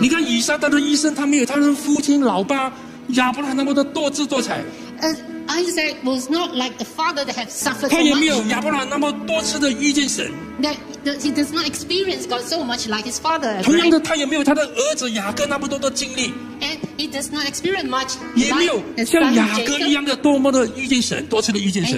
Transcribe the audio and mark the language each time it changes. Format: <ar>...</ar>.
<zh>你看以撒他的一生，他没有他的父亲、老爸亚伯兰那么的多姿多彩。</zh> <en>Isaac was not like the father that had suffered so much. That he does not experience God so much like his father. Right?</en> <zh>同样的, 他也没有他的儿子雅各那么多的经历。</zh> <en>And he does not experience much.</en> <zh>也没有像雅各一样的多么的遇见神，多次的遇见神。</zh>